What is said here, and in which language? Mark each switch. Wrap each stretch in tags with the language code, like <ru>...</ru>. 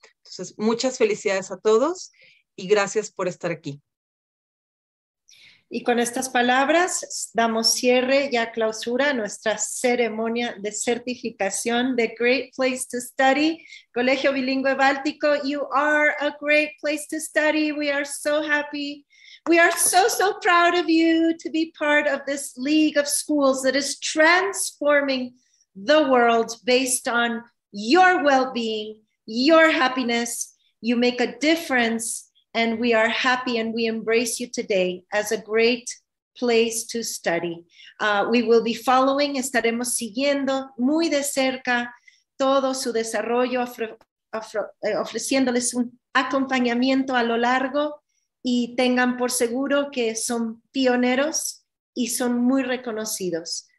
<es>Entonces, muchas felicidades a todos. Y gracias por estar aquí. Y con estas palabras damos cierre y a clausura a nuestra ceremonia de certificación de Great Place to Study, Colegio Bilingüe Báltico.</es> <en>You are a great place to study. We are so happy. We are so, so proud of you to be part of this league of schools that is transforming the world based on your well-being, your happiness. You make a difference. And we are happy and we embrace you today as a great place to study. We will be following,</en> <es>estaremos siguiendo muy de cerca todo su desarrollo, ofreciéndoles un acompañamiento a lo largo y tengan por seguro que son pioneros y son muy reconocidos.</es>